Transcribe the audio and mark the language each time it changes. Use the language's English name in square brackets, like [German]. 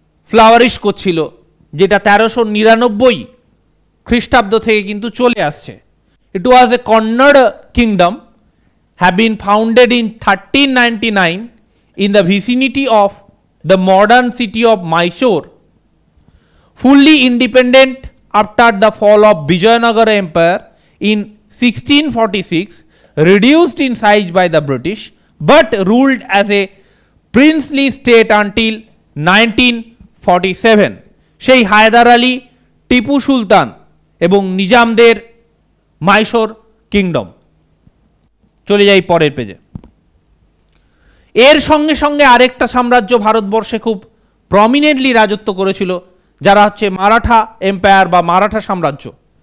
[English] flourish [Bangla] করছিল যেটা 1399 খ্রিস্টাব্দ থেকে কিন্তু চলে আসছে [English] It was a Kannada kingdom have been founded in 1399 in the vicinity of the modern city of Mysore fully independent after the fall of Vijayanagar empire in 1646 reduced in size by the British but ruled as a princely state until 1947. [Bangla] সেই হায়দার আলী, টিপু সুলতান এবং নিজামদের Mysore kingdom. চলে যাই পরের পেজে। এর সঙ্গে সঙ্গে আরেকটা সাম্রাজ্য ভারতবর্ষে খুব প্রমিনেন্টলি রাজত্ব করেছিল, যারা হচ্ছে মারাঠা এম্পায়ার বা মারাঠা সাম্রাজ্য।